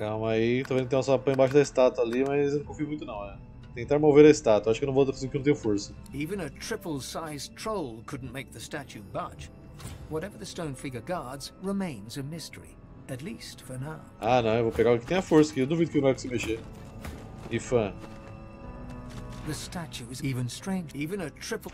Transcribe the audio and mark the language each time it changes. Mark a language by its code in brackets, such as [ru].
[pt] Calma aí, tô vendo que tem um sapão embaixo da estátua ali, mas eu não confio muito não, é. Tentar mover a estátua, acho que eu não vou conseguir porque não tenho força. [en] Even a triple-sized troll couldn't make the statue budge. Whatever the stone figure guards remains a mystery, at least for now. [pt] Ah, não, eu vou pegar o que tem a força aqui. Eu duvido que não vai se mexer. Ifan. [en] The statue is even strange, even a triple.